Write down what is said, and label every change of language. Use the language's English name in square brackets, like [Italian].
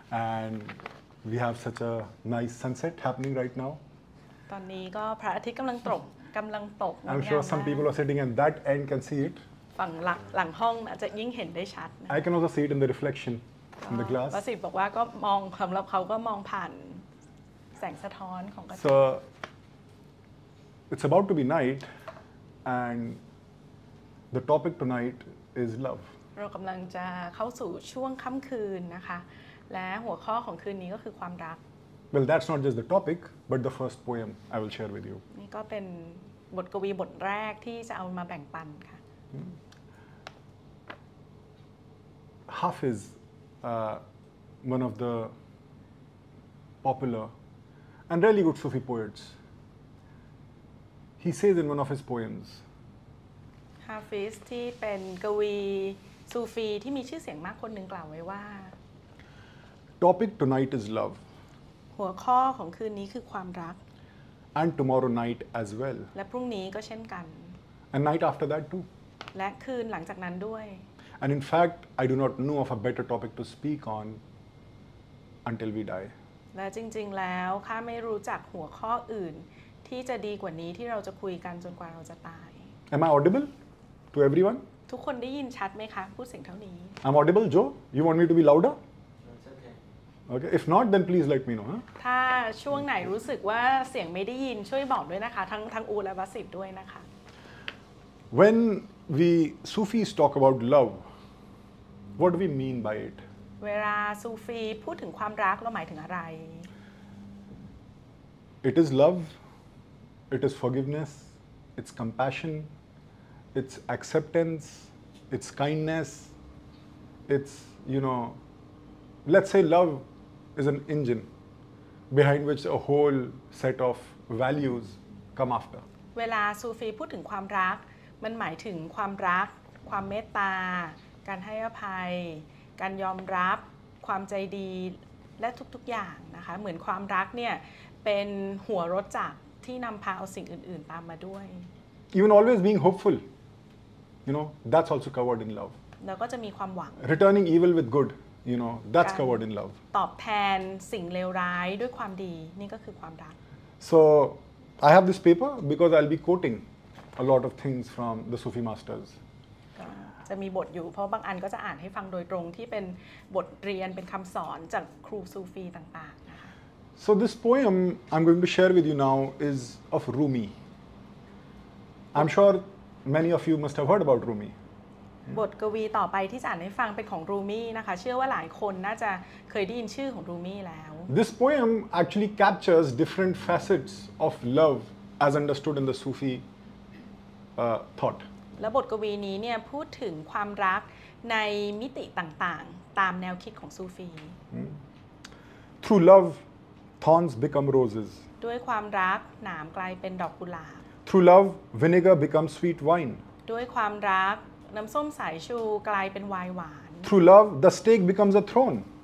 [English] And we have such a nice sunset happening right now. [Thai] ตอนนี้ก็พระอาทิตย์กำลังตก [English] I'm sure some people are sitting in that end can see it. [Thai] ฝั่งหลังห้องอาจจะยิ่งเห็นได้ชัด [English] I can also see it in the reflection in the glass. [Thai] ประสิทธิ์บอกว่าก็มองสำหรับเขาก็มองผ่านแสงสะท้อนของกระจก [English] So it's about to be night and the topic tonight is love. [Thai] เรากำลังจะเข้าสู่ช่วงค่ำคืนนะคะและหัวข้อของคืนนี้ก็คือความรัก [English] Well that's not just the topic but the first poem I will share with you [Thai] นี่ก็เป็นบทกวีบทแรกที่จะเอามาแบ่งปันค่ะ [English] Half is one of the popular and really good Sufi poets he says in one of his poems [Thai] Hafiz ที่เป็นกวีซูฟีที่มีชื่อเสียงมากคนนึงกล่าวไว้ว่า [English] Topic tonight is love. [Thai] หัวข้อของคืนนี้คือความรัก [English] And tomorrow night as well. [Thai] และพรุ่งนี้ก็เช่นกัน [English] And night after that too. [Thai] และคืนหลังจากนั้นด้วย [English] And in fact, I do not know of a better topic to speak on until we die. [Thai] และจริงๆแล้วข้าไม่รู้จักหัวข้ออื่นที่จะดีกว่านี้ที่เราจะคุยกันจนกว่าเราจะตาย [English] Am I audible to everyone? [Thai] ทุกคนได้ยินชัดไหมคะพูดเสียงเท่านี้ [English] I'm audible, Joe. You want me to be louder? Okay. If not, then please let me know. Huh? [Thai] ถ้าช่วงไหนรู้สึกว่าเสียงไม่ได้ยินช่วยบอกด้วยนะคะทั้งอูและวาสิทธ์ด้วยนะคะ [English] When we Sufis talk about love, what do we mean by it? [Thai] เวลาซูฟีพูดถึงความรักเราหมายถึงอะไร [English] It is love. It is forgiveness. It's compassion. It's acceptance. It's kindness. It's you know. Let's say love is an engine behind which a whole set of values come after. [Thai] เวลาซูฟีพูดถึงความรักมันหมายถึงความรักความเมตตาการให้อภัยการยอมรับความใจดีและทุกๆอย่างนะคะเหมือนความรักเนี่ยเป็นหัวรถจักรที่นำพาเอาสิ่งอื่นๆตามมาด้วย [English] Even always being hopeful, you know, that's also covered in love. [Thai] แล้วก็จะมีความหวัง [English] Returning evil with good. You know, that's covered in love. [Thai] ตอบแทนสิ่งเลวร้ายด้วยความดีนี่ก็คือความรัก [English] So, I have this paper because I'll be quoting a lot of things from the Sufi masters. [Thai] จะมีบทอยู่เพราะบางอันก็จะอ่านให้ฟังโดยตรงที่เป็นบทเรียนเป็นคำสอนจากครูซูฟีต่างๆนะคะ [English] So this poem I'm going to share with you now is of Rumi. I'm sure many of you must have heard about Rumi. [Thai] บทกวีต่อไปที่จะอ่านให้ฟังเป็นของรูมี่นะคะเชื่อว่าหลายคนน่าจะเคยได้ยินชื่อของรูมี่แล้ว [English] This poem actually captures different facets of love as understood in the Sufi thought [Thai] และบทกวีนี้เนี่ยพูดถึงความรักในมิติต่างๆตามแนวคิดของซูฟี [English] Through love thorns become roses [Thai] ด้วยความรักหนามกลายเป็นดอกกุหลาบ [English] Through love vinegar becomes sweet wine [Thai] ด้วยความรักน้ำส้มสายชูกลายเป็นไวน์หวาน [English] Through love the steak becomes a throne